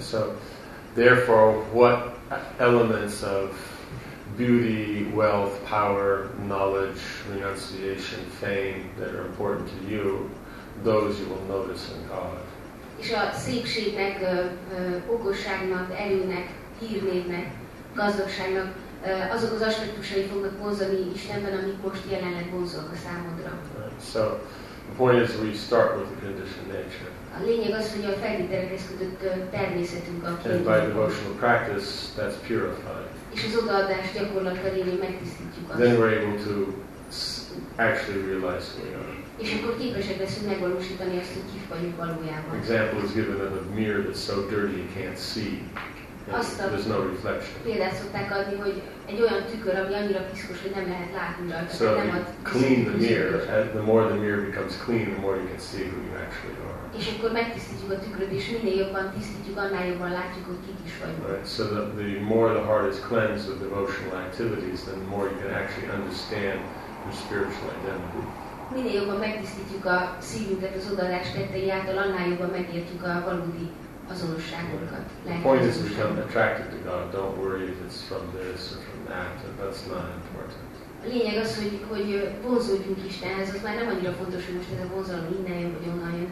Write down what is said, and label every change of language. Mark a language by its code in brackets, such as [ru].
[en] So, therefore, what elements of beauty, wealth, power, knowledge, renunciation, fame that are important to you, those you will notice in God. [hu] És a szépségnek, okosságnak, erőnek, hírnévnek, gazdagságnak, azok az aspektusai fognak vonzani Istenben, amik most jelenleg vonzolnak a számodra. [en] So, the point is we start with the conditioned nature. [hu] A lényeg az, hogy a feltételekhez kötött természetünk a [en] kényelmi. And by devotional practice, that's purified. [hu] És az odaadás gyakorlatra lévén megtisztítjuk azt. [en] Then we're able to actually realize who we are. [hu] És akkor képesek leszünk megvalósítani azt, hogy kik vagyunk valójában. [en] Example is given of a mirror that's so dirty you can't see. There's no reflection. [hu] Példát szokták adni, hogy egy olyan tükör, ami annyira piszkos, hogy nem lehet látni rajta. [en] So [hu] nem [en] clean the mirror. The more the mirror becomes clean, the more you can see who you actually are. [hu] És akkor megtisztítjuk a tükröt, és minél jobban tisztítjuk, annál jobban látjuk, hogy kik is vagyunk. [en] Right. So the more the heart is cleansed with devotional activities, then the more you can actually understand your spiritual identity. [hu] Minél jobban megtisztítjuk a szívünket az odaadás tettei által, annál jobban megértjük a valódi azonosságunkat. [en] The point is to become attracted to God. Don't worry if it's from this or from that. That's not important. [hu] A lényeg az, hogy vonzódjunk Istenhez. Az már nem annyira fontos, hogy most ez a vonzalom innen jön, vagy onnan jön.